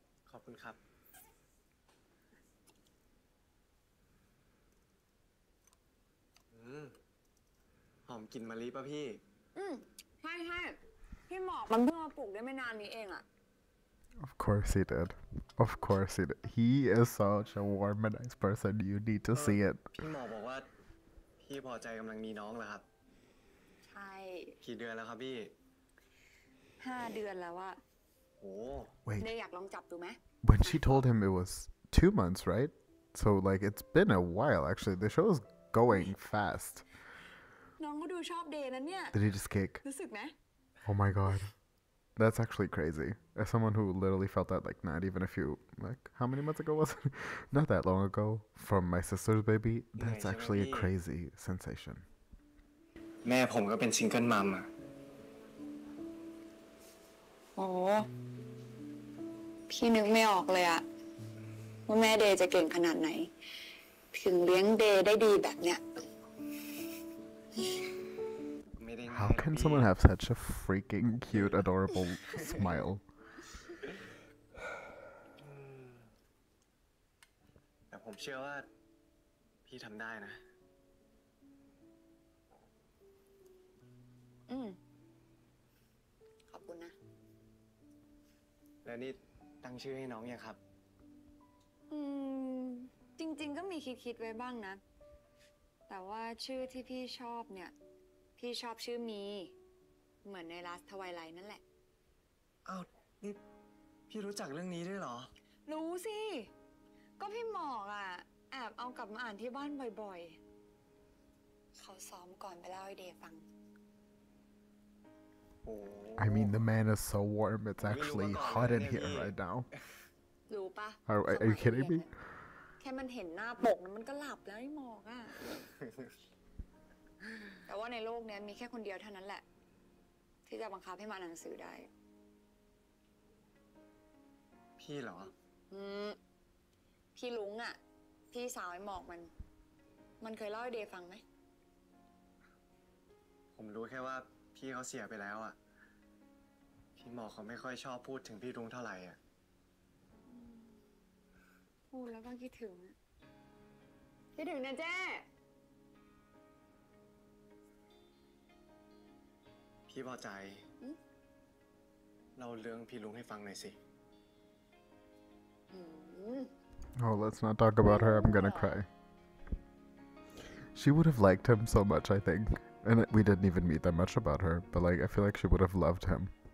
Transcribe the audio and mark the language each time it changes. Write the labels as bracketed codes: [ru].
[th] ขอบคุณครับหอมกลิ่นมะลิป่ะพี่ อืมใช่ๆพี่หมอกมันเพิ่งมาปลูกได้ไม่นานนี้เองอ่ะ [en] Of course he did. Of course he did. He is such a warm and nice person. You need to see it. [th] พี่หมอบอกว่าพี่พอใจกำลังมีน้องแล้วครับ ใช่ กี่เดือนแล้วครับพี่ 5 เดือนแล้วอะ โอ้ [en] Wait. [th] เนยอยากลองจับดูไหม [en] When she told him it was 2 months, right? So like it's been a while actually. The show is going fast. [th] น้องก็ดูชอบเดย์นั้นเนี่ย [en] Did he just kick? [th] รู้สึกไหม [en] Oh my god. That's actually crazy. As someone who literally felt that, like, not even a few, like, how many months ago was it? Not that long ago, from my sister's baby. That's actually a crazy sensation. [th] แม่ผมก็เป็นซิงเกิลมัมอ่ะ โอ้โหพี่นึกไม่ออกเลยอ่ะว่าแม่เดย์จะเก่งขนาดไหนถึงเลี้ยงเดย์ได้ดีแบบเนี้ย [en] How can someone have such a freaking cute, adorable smile? [th] แต่ผมเชื่อว่าพี่ทำได้นะ อืมขอบคุณนะ แล้วนี่ตั้งชื่อให้น้องยังครับ อืมจริงๆก็มีคิดๆไว้บ้างนะแต่ว่าชื่อที่พี่ชอบเนี่ยพี่ชอบชื่อมีเหมือนในลาสทวายไลท์นั่นแหละ อ้าวนี่พี่รู้จักเรื่องนี้ด้วยเหรอ รู้สิก็พี่หมอกอ่ะแอบเอากลับมาอ่านที่บ้านบ่อยๆเขาซ้อมก่อนไปเล่าให้เดฟัง โอ [en] I mean the man is so warm it's actually hot in here right now [th] รู้ปะ [en] Are you kidding me [th] แค่มันเห็นหน้าปกมันก็หลับแล้วไอ้หมอกอ่ะแต่ว่าในโลกนี้มีแค่คนเดียวเท่านั้นแหละที่จะบังคับให้มาอ่านหนังสือได้พี่เหรออืมพี่ลุงอ่ะพี่สาวไอ้หมอกมันเคยเล่าให้เดฟังไหม ผมรู้แค่ว่าพี่เขาเสียไปแล้วอ่ะพี่หมอกเขาไม่ค่อยชอบพูดถึงพี่ลุงเท่าไหร่อ่ะ พูดแล้วก็คิดถึงคิดถึงนะเจ้ พี่พอใจเราเลี้ยงพี่ลุงให้ฟังหน่อยสิ [en] Oh, let's not talk about her. I'm gonna cry. She would have liked him so much, I think. And we didn't even meet that much about her. But like, I feel like she would have loved him.